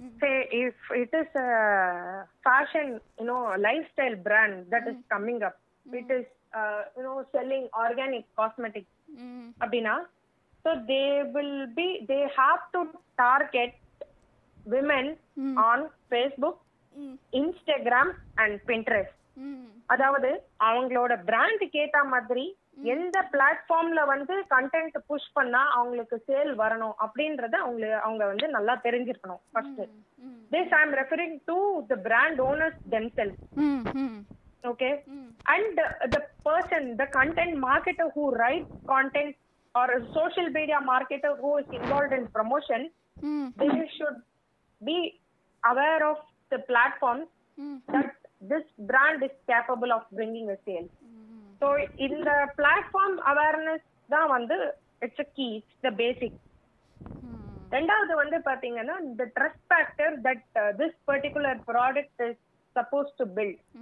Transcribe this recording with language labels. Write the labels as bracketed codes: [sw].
[en] Say if it is a fashion, you know, lifestyle brand that is coming up, it is, you know, selling organic cosmetics, Abina, so they will be, they have to target women on Facebook, Instagram and Pinterest. [ta] அதாவது அவங்களோட பிராண்டுக்கு ஏத்த மாதிரி எந்த பிளாட்ஃபார்ம்ல வந்து content push பண்ணா அவங்களுக்கு sale வரணும் அப்படின்றத அவங்களுக்கு அவங்க வந்து நல்லா தெரிஞ்சிருக்கணும். [en] First this I am referring to the brand owners themselves. Okay. And the person, the content marketer who write content or social media marketer who is involved in promotion, they should be aware of the platform that this brand is capable of bringing a sale. So, in the platform awareness, it's a key, it's the basic. The trust factor that this particular product is supposed to build.